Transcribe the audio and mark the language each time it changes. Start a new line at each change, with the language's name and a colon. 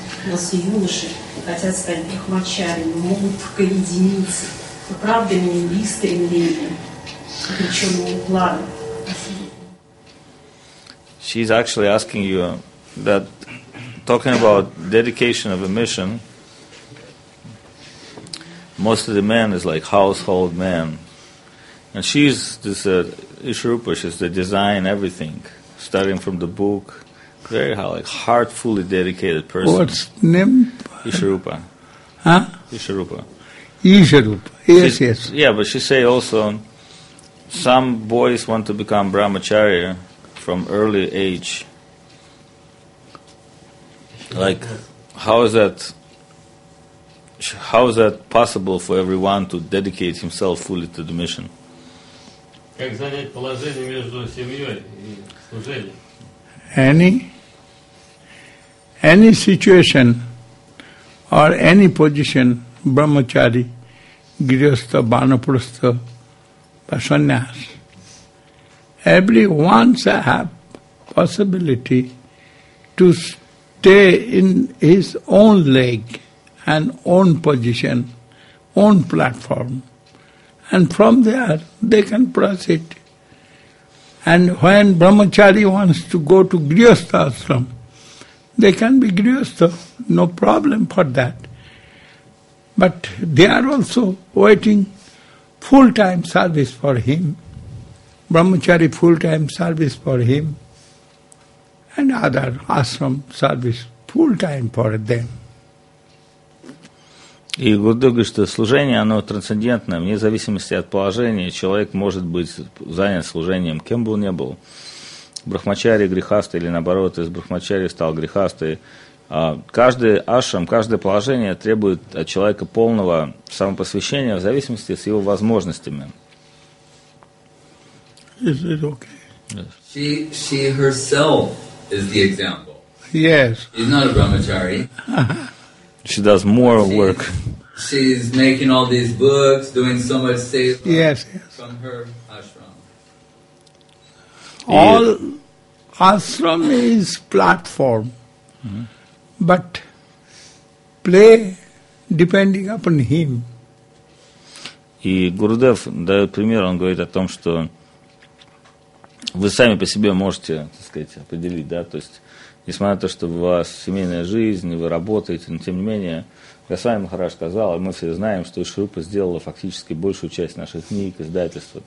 Russian: У нас и юноши хотят стать брахмачари, но могут только единицы. Но правда ли они искренними, причем уклады?
English: She's actually asking you that, talking about dedication of a mission, most of the men is like household men. And she's this Ishrupa, she's the design everything, starting from the book. Very high, like heart fully dedicated person. What's name? Ishrupa. Huh? Ishrupa. Ishrupa, yes, yes. Yeah, but she say also some boys want to become brahmacharya from early age. Like, how is that possible for everyone to dedicate himself fully to the mission?
Russian: Как занять положение между семьей и служением?
English: Any situation or any position, brahmachari, grihastha, vanaprastha, sannyas, everyone have possibility to stay in his own leg and own position own platform. And from there, they can proceed. And when brahmachari wants to go to grihastha ashram, they can be grihastha, no problem for that. But they are also waiting full-time service for him, brahmachari full-time service for him, and other ashram service full-time for them.
Russian: И Гурудев говорит, что служение, оно трансцендентное, вне зависимости от положения, человек может быть занят служением, кем бы он ни был, брахмачари, грехасты, или наоборот, из брахмачари стал грехасты. Каждый ашрам, каждое положение требует от человека полного самопосвящения в зависимости с его возможностями.
English: Is it okay? Yes. She herself is the example. Yes. She's not a brahmachari. She does more work. She's making all these books, doing so much seva. Yes, yes. From her ashram. All ashram is platform, but play depending upon him.
Russian: И Гурудев дает пример, он говорит о том, что вы сами по себе можете, так сказать, определить, да, то есть несмотря на то, что у вас семейная жизнь, и вы работаете, но тем не менее, Госвами Махарадж сказал, и мы все знаем, что Шрупа сделала фактически большую часть наших книг, издательства.